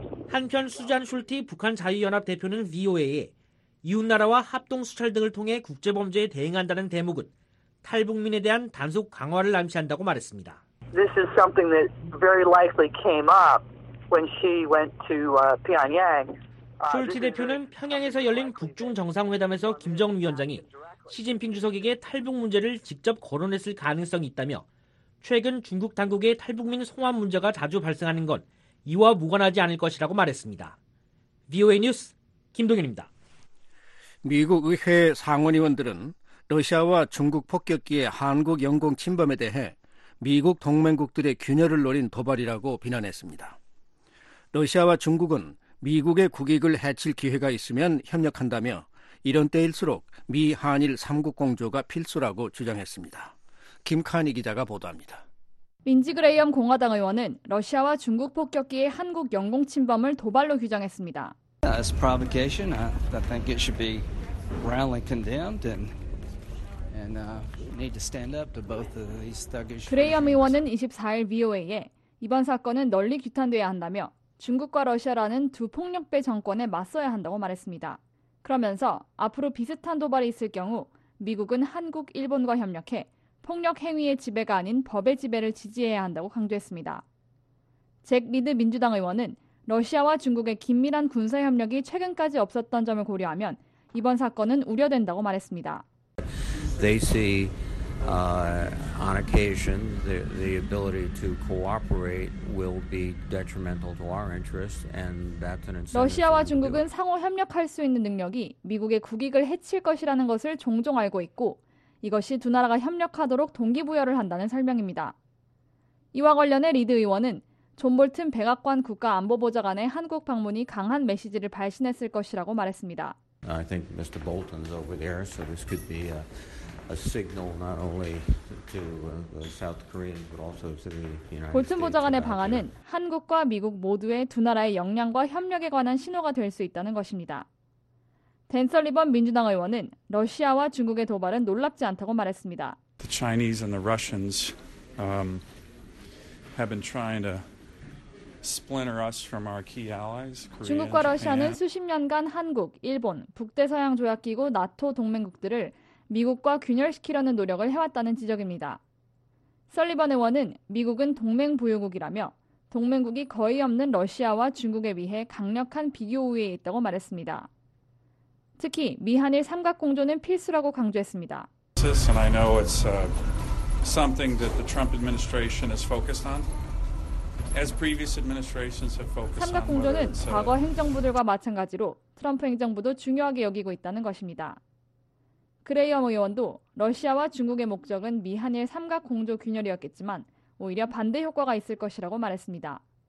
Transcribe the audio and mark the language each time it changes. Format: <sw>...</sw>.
<ko>한편 수잔 슐티 북한 자유연합 대표는 VOA에 이웃나라와 합동수찰 등을 통해 국제범죄에 대응한다는 대목은 탈북민에 대한 단속 강화를 암시한다고 말했습니다.</ko> <en>This is something that very likely came up when she went to Pyongyang.</en> <ko>슐티 대표는 평양에서 열린 북중 정상회담에서 김정은 위원장이 시진핑 주석에게 탈북 문제를 직접 거론했을 가능성이 있다며 최근 중국 당국의 탈북민 송환 문제가 자주 발생하는 건 이와 무관하지 않을 것이라고 말했습니다. VOA 뉴스 김동현입니다. 미국 의회 상원의원들은 러시아와 중국 폭격기의 한국 영공 침범에 대해 미국 동맹국들의 균열을 노린 도발이라고 비난했습니다. 러시아와 중국은 미국의 국익을 해칠 기회가 있으면 협력한다며 이런 때일수록 미 한일 3국 공조가 필수라고 주장했습니다. 김카니 기자가 보도합니다. 민지 그레이엄 공화당 의원은 러시아와 중국 폭격기의 한국 영공 침범을 도발로 규정했습니다.</ko> <en>As provocation, I think it should be roundly condemned and need to stand up to both of these thuggish.</en> <ko>그레이엄 의원은 24일 VOA에 이번 사건은 널리 규탄돼야 한다며 중국과 러시아라는 두 폭력배 정권에 맞서야 한다고 말했습니다. 그러면서 앞으로 비슷한 도발이 있을 경우 미국은 한국, 일본과 협력해 폭력 행위의 지배가 아닌 법의 지배를 지지해야 한다고 강조했습니다. 잭 리드 민주당 의원은 러시아와 중국의 긴밀한 군사협력이 최근까지 없었던 점을 고려하면 이번 사건은 우려된다고 말했습니다.</ko> <en>They see on occasion the ability to cooperate will be detrimental to our interests, and that's an incentive.</en> <ko>러시아와 중국은 상호 협력할 수 있는 능력이 미국의 국익을 해칠 것이라는 것을 종종 알고 있고 이것이 두 나라가 협력하도록 동기부여를 한다는 설명입니다. 이와 관련해 리드 의원은 존 볼튼 백악관 국가안보보좌관의 한국 방문이 강한 메시지를 발신했을 것이라고 말했습니다.</ko> <en>I think Mr. Bolton's over there, so this could be a signal not only to the South Koreans but also to the United States.</en> <ko>볼튼 보좌관의 방한은 한국과 미국 모두의 두 나라의 역량과 협력에 관한 신호가 될 수 있다는 것입니다. 댄 설리번 민주당 의원은 러시아와 중국의 도발은 놀랍지 않다고 말했습니다.</ko> <en>The Chinese and the Russians have been trying to splinter us from our key allies.</en> <ko>중국과 러시아는 수십 년간 한국, 일본, 북대서양 조약기구, 나토 동맹국들을 미국과 균열시키려는 노력을 해왔다는 지적입니다. 설리번 의원은 미국은 동맹 보유국이라며 동맹국이 거의 없는 러시아와 중국에 비해 강력한 비교 우위에 있다고 말했습니다. 특히 미한일 삼각공조는 필수라고 강조했습니다.</ko> <en>And I know it's something that the Trump administration is focused on. As previous administrations have focused on.</en> <ko>삼각공조는 과거 행정부들과 마찬가지로 트럼프 행정부도 중요하게 여기고 있다는 것입니다. 그레이엄 의원도 러시아와 중국의 목적은 미한일 삼각공조 균열이었겠지만 오히려 반대 효과가 있을 것이라고 말했습니다.</ko>